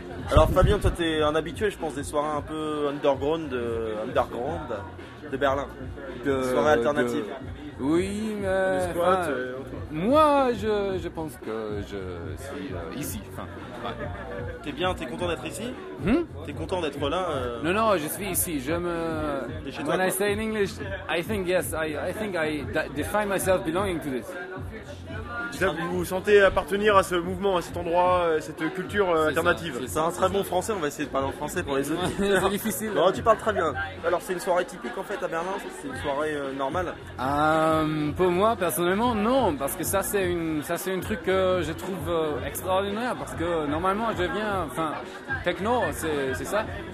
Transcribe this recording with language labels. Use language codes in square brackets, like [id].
[fr] Alors Fabien, toi t'es un habitué, je pense, des soirées un peu underground de Berlin. Soirée alternative. Oui, mais squat, moi je pense que je suis ici. Ouais. T'es bien, t'es content d'être ici? T'es content d'être là? Non, je suis ici. [en] When I say in English, I think yes, I define myself belonging to this. [fr] Vous sentez appartenir à ce mouvement, à cet endroit, à cette culture alternative? C'est un très bon français, on va essayer de parler en français pour les autres. C'est difficile. Non, tu parles très bien. Alors c'est une soirée typique en fait à Berlin, c'est une soirée normale? Pour moi personnellement non, parce que ça c'est un truc que je trouve extraordinaire, parce que normalement je viens, enfin techno c'est ça.